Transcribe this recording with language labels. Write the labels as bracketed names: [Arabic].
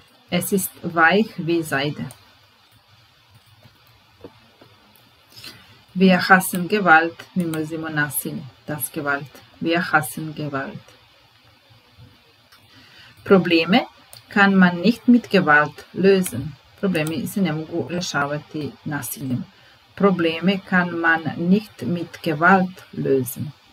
[German] Es ist weich wie Seide. Wir hassen Gewalt. [Serbian] Mi mrzimo nasilje. [German] Das Gewalt. Wir hassen Gewalt. Probleme kann man nicht mit Gewalt lösen. [Serbian] Probleme se ne mogu rešavati nasiljem. [German] Probleme kann man nicht mit Gewalt lösen.